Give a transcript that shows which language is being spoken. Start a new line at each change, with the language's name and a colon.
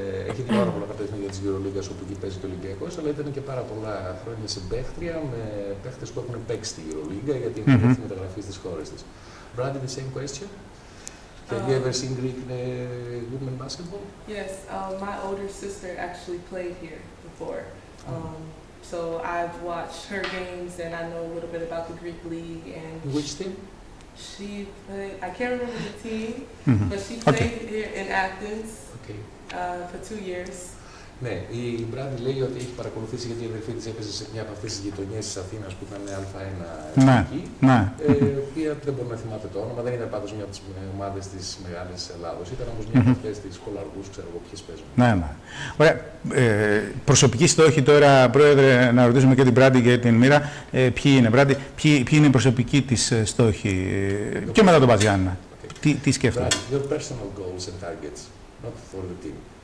Greek: Έχει δει πάρα πολλά παιχνίδια της EuroLeague όπου εκεί παίζει το Ολυμπιακός, αλλά ήταν και πάρα πολλά χρόνια συμπαίχτρια με παίχτες που έχουν παίξει στη EuroLeague γιατί είναι μεταγραφή μεταγραφής της χώρας της.
English: Brandy, the same question. Have you ever seen Greek women basketball? Yes, my older sister actually played here before. So I've watched her games and I know a little bit about the Greek league. And which team? She played, I can't remember the team, but she played here in Athens for 2 years.
Greek: Ναι, η Μπράντι λέει ότι έχει παρακολουθήσει γιατί η αδερφή της έπαιζε σε μια από αυτές τις γειτονιές της Αθήνας που ήταν Α1 εθνική, η οποία δεν μπορεί να θυμάται το όνομα, δεν ήταν πάντως μια από τις ομάδες της Μεγάλης Ελλάδος, ήταν όμως μια από αυτές τις κολαργούς, ξέρω εγώ ποιες παίζουν. Ναι, ναι. Ωραία. Προσωπική στόχη τώρα, πρόεδρε, να ρωτήσουμε και την Μπράντι και την Μοίρα. Ποιοι είναι, Μπράντι, ποιοι είναι οι προσωπικοί της στόχοι και μετά τον Πας Γιάννενα. Τι σκέφτεται?
English: Your personal goals and targets, not for the team.